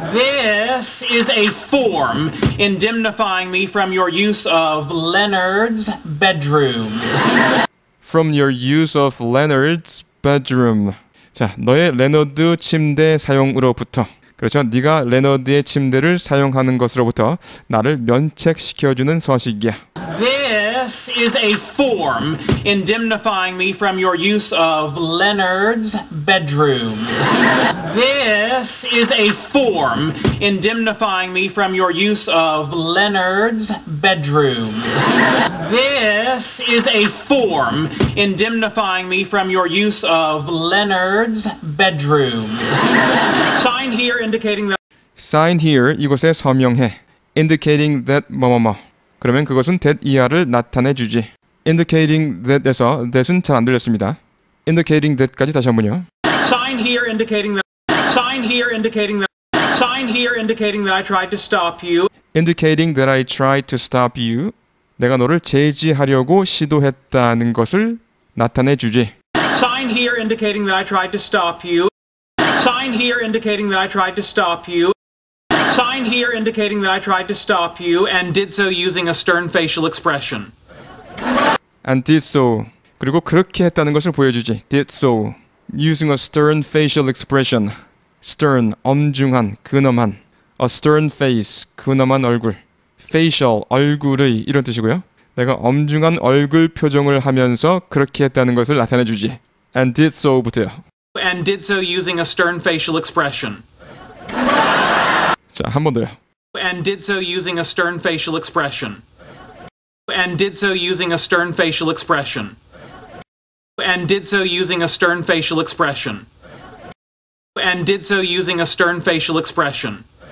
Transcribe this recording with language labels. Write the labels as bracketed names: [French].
[English] This is a form indemnifying me from your use of Leonard's bedroom. From your use of Leonard's bedroom. [Korean] 자, 너의 레너드 침대 사용으로부터. 그렇죠. 네가 레너드의 침대를 사용하는 것으로부터 나를 면책시켜주는 서식이야. [English] This is a form indemnifying me from your use of Leonard's bedroom. This is a form indemnifying me from your use of Leonard's bedroom. This is a form indemnifying me from your use of Leonard's bedroom. Sign here indicating that. Sign here [Korean] 이곳에 서명해. [English] Indicating that 뭐뭐뭐. [Korean] 그러면 그것은 that 이하를 나타내 주지. Indicating that에서 that은 잘 안 들렸습니다. Indicating that까지 다시 한 번요. [English] Sign here indicating that. Sign here indicating that. Sign here indicating that I tried to stop you. Indicating that I tried to stop you. [Korean] 내가 너를 제지하려고 시도했다는 것을 나타내 주지. [English] Sign here indicating that I tried to stop you. Sign here indicating that I tried to stop you. Sign here indicating that I tried to stop you and did so using a stern facial expression. And did so. [Korean] 그리고 그렇게 했다는 것을 보여주지. [English] Did so. Using a stern facial expression. [Korean] Stern, 엄중한, 근엄한. [English] A stern face, [Korean] 근엄한 얼굴. Facial, 얼굴의 이런 뜻이고요. 내가 엄중한 얼굴 표정을 하면서 그렇게 했다는 것을 나타내주지. [English] And did so부터요. And did so using a stern facial expression. [Korean] 자, 한 번 더요. [English] And did so using a stern facial expression. And did so using a stern facial expression. And did so using a stern facial expression. And did so using a stern facial expression.